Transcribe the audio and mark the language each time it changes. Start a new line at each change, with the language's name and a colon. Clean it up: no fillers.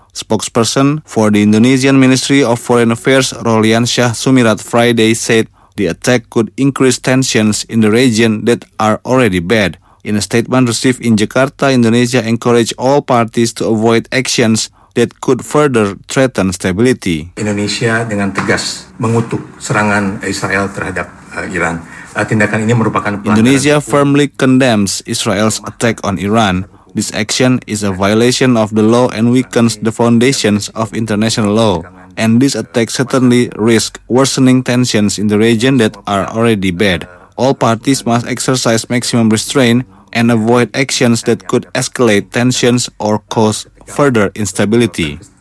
English: Spokesperson for the Indonesian Ministry of Foreign Affairs, Roliansyah Sumirat Friday, said the attack could increase tensions in the region that are already bad. In a statement received in Jakarta, Indonesia encouraged all parties to avoid actions that could further threaten stability.
Indonesian: Indonesia dengan tegas mengutuk serangan Israel terhadap Iran. Tindakan ini merupakan
English: Indonesia firmly condemns Israel's attack on Iran. This action is a violation of the law and weakens the foundations of international law. And this attack certainly risks worsening tensions in the region that are already bad. All parties must exercise maximum restraint and avoid actions that could escalate tensions or cause further instability.